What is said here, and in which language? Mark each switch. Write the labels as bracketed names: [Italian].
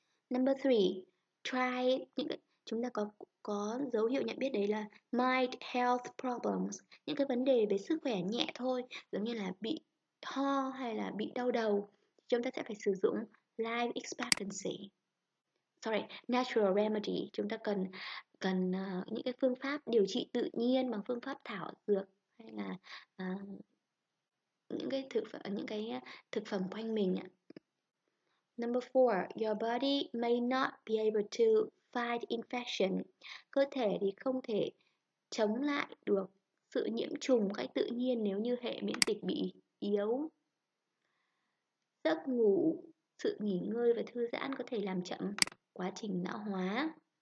[English] Number 3, [Vietnamese] try những cái chúng ta có dấu hiệu nhận biết đấy là [English] mild health problems, [Vietnamese] những cái vấn đề về sức khỏe nhẹ thôi, giống như là bị ho hay là bị đau đầu, chúng ta sẽ phải sử dụng life expectancy. [English] Sorry, natural remedy, [Vietnamese] chúng ta cần những cái phương pháp điều trị tự nhiên bằng phương pháp thảo dược hay là những cái thực phẩm quanh mình. [English] Number 4, your body may not be able to fight infection. [Vietnamese] Cơ thể thì không thể chống lại được sự nhiễm trùng cách tự nhiên nếu như hệ miễn dịch bị yếu. Giấc ngủ, sự nghỉ ngơi và thư giãn có thể làm chậm quá trình lão hóa.